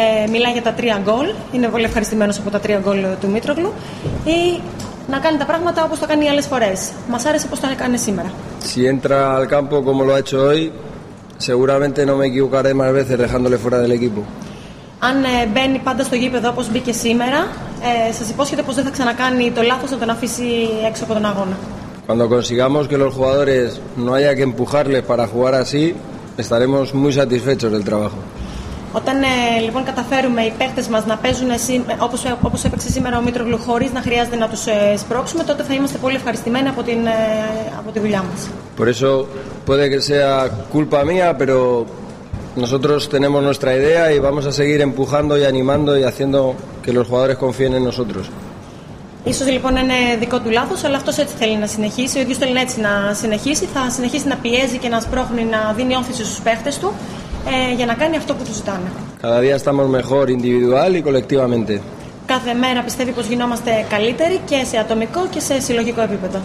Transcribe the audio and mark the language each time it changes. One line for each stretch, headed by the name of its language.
Greek: Μιλάει για τα τρία γκολ, είναι πολύ ευχαριστημένος από τα τρία γκολ του Μίτρογλου. Ή να κάνει τα πράγματα όπως το κάνει άλλες φορές. Μας άρεσε πως το έκανε σήμερα.
Spanish: Si entra al campo como lo ha hecho hoy, seguramente no me equivocaré más veces dejándole fuera del equipo.
Greek: Αν μπαίνει πάντα στο γήπεδο όπως μπήκε σήμερα, σας υπόσχεται πως δεν θα ξανακάνει το λάθος να τον αφήσει έξω από τον αγώνα.
Spanish: Cuando consigamos que los jugadores no haya que empujarles para jugar así, estaremos muy satisfechos del trabajo.
Greek: Όταν λοιπόν καταφέρουμε οι παίκτες μας να παίζουν όπως έπαιξε σήμερα ο Μίτρογλου χωρίς να χρειάζεται να τους σπρώξουμε, τότε θα είμαστε πολύ ευχαριστημένοι από τη δουλειά μας.
Spanish: Por eso puede que sea culpa mía, pero nosotros tenemos nuestra idea y vamos a seguir empujando y animando y haciendo que los jugadores confíen en nosotros.
Greek: Ίσως λοιπόν είναι δικό του λάθος, αλλά αυτός έτσι θέλει να συνεχίσει. Ο ίδιος θέλει έτσι να συνεχίσει. Θα συνεχίσει να πιέζει και να σπρώχνει, να δίνει όθηση στους παίχτες του για να κάνει αυτό που του ζητάνε.
Spanish: Cada día estamos mejor individual y colectivamente.
Greek: Κάθε μέρα πιστεύει πως γινόμαστε καλύτεροι και σε ατομικό και σε συλλογικό επίπεδο.